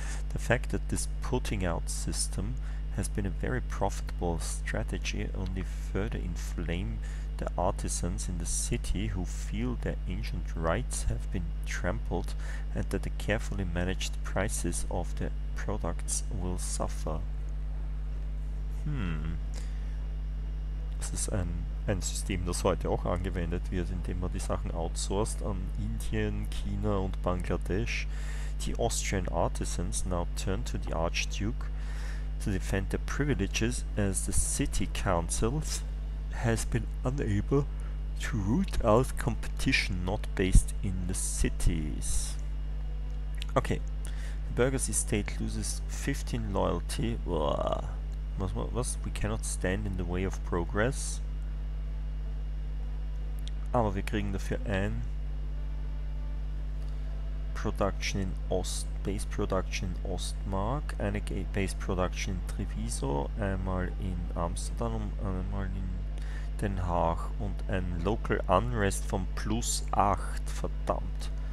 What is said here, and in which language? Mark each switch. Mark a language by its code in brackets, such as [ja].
[en] The fact that this putting out system has been a very profitable strategy only further inflame the artisans in the city who feel their ancient rights have been trampled and that the carefully managed prices of their products will suffer. [de] Das ist ein System, das heute auch angewendet wird, indem man die Sachen outsourced an Indien, China und Bangladesch. [en] The Austrian artisans now turn to the Archduke to defend their privileges as the city councils has been unable to root out competition not based in the cities. Okay, the burgher's estate loses 15 loyalty. Was? We cannot stand in the way of progress. [de] Aber wir kriegen dafür ein Production in Ost, Base Production in Ostmark, eine Base Production in Treviso, einmal in Amsterdam und einmal in Den Haag und ein Local Unrest von plus 8, verdammt.